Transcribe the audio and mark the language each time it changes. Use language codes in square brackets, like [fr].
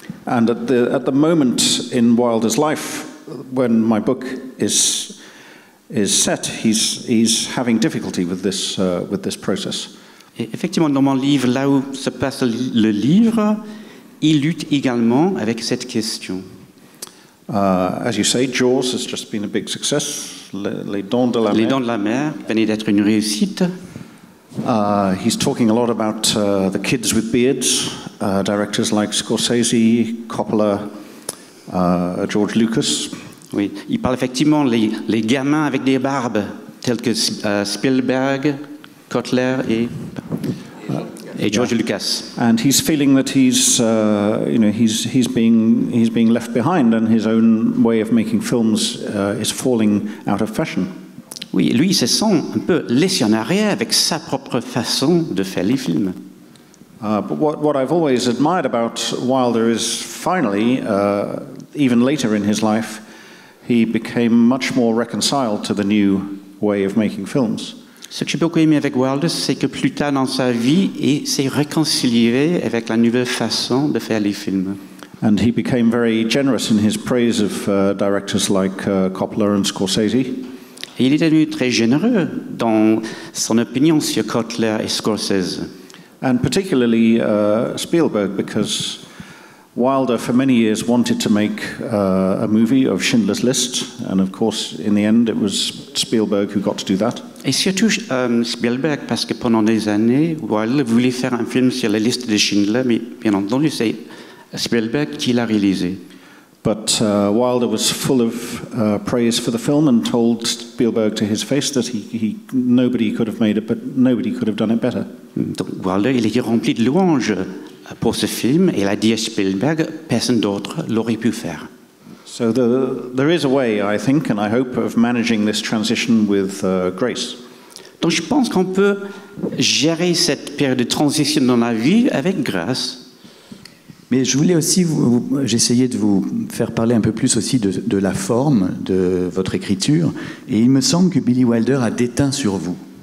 [en] And at the moment in Wilder's life, when my book is set, he's having difficulty with this process. [fr] Et effectivement, dans mon livre, là où se passe le livre, il lutte également avec cette question. [en] As you say, Jaws has just been a big success. [fr] Les dents de la mer venaient d'être une réussite. [en] He's talking a lot about the kids with beards, directors like Scorsese, Coppola, George Lucas. [fr] Oui, il parle effectivement les gamins avec des barbes, tels que Spielberg, Kotler et George Lucas. [en] And he's feeling that he's being left behind, and his own way of making films is falling out of fashion. [fr] Oui, lui, il se sent un peu laissé en arrière avec sa propre façon de faire les films. [en] But what I've always admired about Wilder is finally, even later in his life, he became much more reconciled to the new way of making films. [fr] Ce que j'ai beaucoup aimé avec Wilder, c'est que plus tard dans sa vie, il s'est réconcilié avec la nouvelle façon de faire les films. [en] And he became very generous in his praise of directors like Coppola and Scorsese. [fr] Et il est devenu très généreux dans son opinion sur Coppola et Scorsese. [en] And particularly Spielberg, because Wilder for many years wanted to make a movie of Schindler's List, and of course in the end it was Spielberg who got to do that. [fr] Et surtout Spielberg, parce que pendant des années Wilder voulait faire un film sur la liste de Schindler, mais bien entendu c'est Spielberg qui l'a réalisé. [en] But Wilder was full of praise for the film and told Spielberg to his face that nobody could have done it better. [fr] Donc Wilder, il était rempli de louanges pour ce film, et il a dit à Spielberg, personne d'autre l'aurait pu faire. [en] So there is a way, I think, and I hope, of managing this transition with grace. [fr] Donc je pense qu'on peut gérer cette période de transition dans la vie avec grâce. Mais je voulais aussi, j'essayais de vous faire parler un peu plus aussi de la forme de votre écriture, et il me semble que Billy Wilder a déteint sur vous.